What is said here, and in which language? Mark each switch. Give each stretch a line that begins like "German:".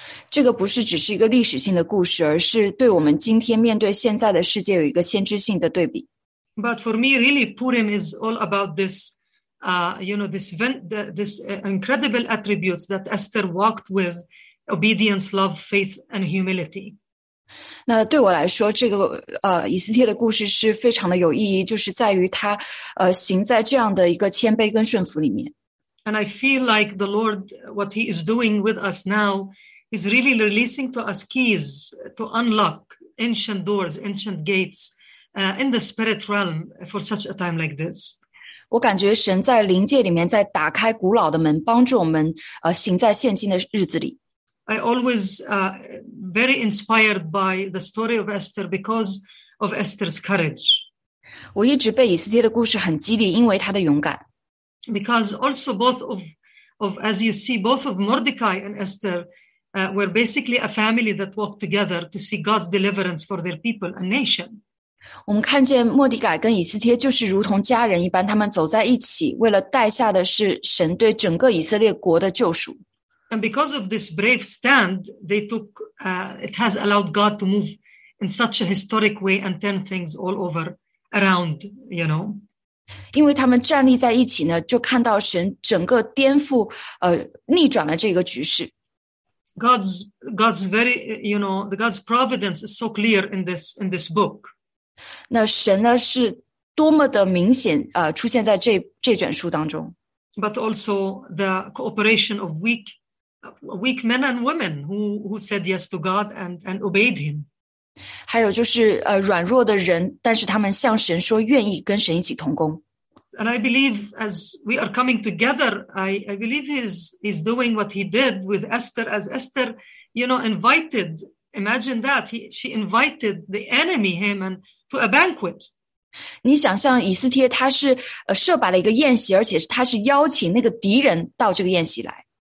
Chinese: 这个不是只是一个历史性的故事，而是对我们今天面对现在的世界有一个先知性的对比。
English: But for me, really, Purim is all about this, this incredible attributes that Esther walked with, obedience, love, faith, and humility.
Chinese: 那对我来说，这个以斯帖的故事是非常的有意义，就是在于他行在这样的一个谦卑跟顺服里面。
English: And I feel like the Lord, what He is doing with us now, is really releasing to us keys to unlock ancient doors, ancient gates. In the spirit realm for such a time like this.
Chinese: 我感觉神在灵界里面在打开古老的门，帮助我们行在现今的日子里。
English: I always very inspired by the story of Esther because of Esther's courage.
Chinese: 我一直被以斯帖的故事很激励，因为她的勇敢。
English: Because also both of as you see, both of Mordecai and Esther were basically a family that walked together to see God's deliverance for their people and nation.
Chinese: 我们看见莫迪改跟以斯帖就是如同家人一般，他们走在一起，为了带下的是神对整个以色列国的救赎。
English: And because of this brave stand, they took, it has allowed God to move in such a historic way and turn things all over around, you know.
Chinese: 因为他们站立在一起呢，就看到神整个颠覆，逆转了这个局势。
English: God's very, you know, God's providence is so clear in this book.
Chinese: 那神呢是多么的明显出现在这卷书当中。
English: But also the cooperation of weak men and women who said yes to God and obeyed him.
Chinese: 还有就是软弱的人，但是他们向神说愿意跟神一起同工。
English: And I believe as we are coming together, I believe he's doing what he did with Esther, as Esther, you know, invited, imagine that, she invited the enemy Haman,to a banquet.
Chinese: 你想象以斯帖他是设摆了一个宴席，而且他是邀请那个敌人到这个宴席来。